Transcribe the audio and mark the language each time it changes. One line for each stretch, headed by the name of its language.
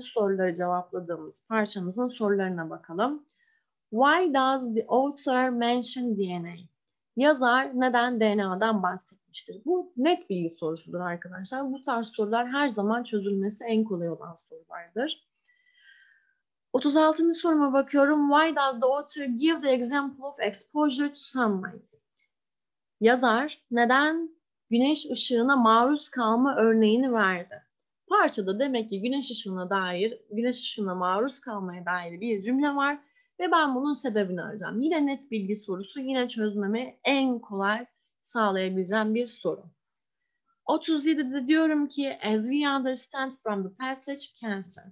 Turkish: soruları cevapladığımız parçamızın sorularına bakalım.
English: Why does the author mention DNA?
Turkish: Yazar neden DNA'dan bahsetmiştir? Bu net bilgi sorusudur arkadaşlar. Bu tarz sorular her zaman çözülmesi en kolay olan sorulardır. 36. soruma bakıyorum.
English: Why does the author give the example of exposure to sunlight?
Turkish: Yazar neden güneş ışığına maruz kalma örneğini verdi. Parçada demek ki güneş ışığına maruz kalmaya dair bir cümle var ve ben bunun sebebini arayacağım. Yine net bilgi sorusu, yine çözmemi en kolay sağlayabileceğim bir soru. 37'de diyorum ki
English: as we understand from the passage cancer.